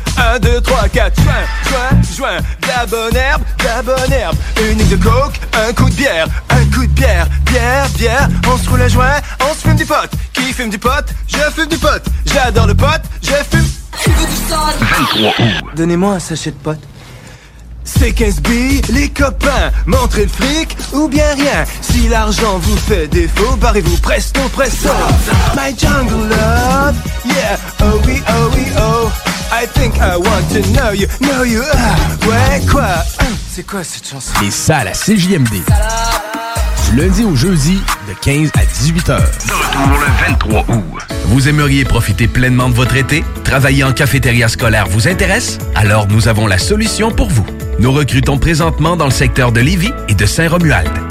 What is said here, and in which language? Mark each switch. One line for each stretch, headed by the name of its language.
French: 1, 2, 3, 4, juin, de la bonne herbe, une ligne de coke, un coup de bière, bière, on se roule la joint, on se fume du pot, qui fume du pot, je fume du pot, j'adore le pot, je fume. Tu veux du sol? 23 août. Donnez-moi un sachet de pot. C'est 15 billes, les copains, montrez le fric ou bien rien. Si l'argent vous fait défaut, barrez-vous presto, presto.
English: My jungle love, yeah,
French: oh oui, oh oui,
English: oh. I think I want to know you,
French: ouais, quoi. C'est quoi cette chanson? Et ça, la CJMD. Lundi au jeudi, de 15 à 18 heures. De retour le 23 août. Vous aimeriez profiter pleinement de votre été? Travailler en cafétéria scolaire vous intéresse? Alors nous avons la solution pour vous. Nous recrutons présentement dans le secteur de Lévis et de Saint-Romuald.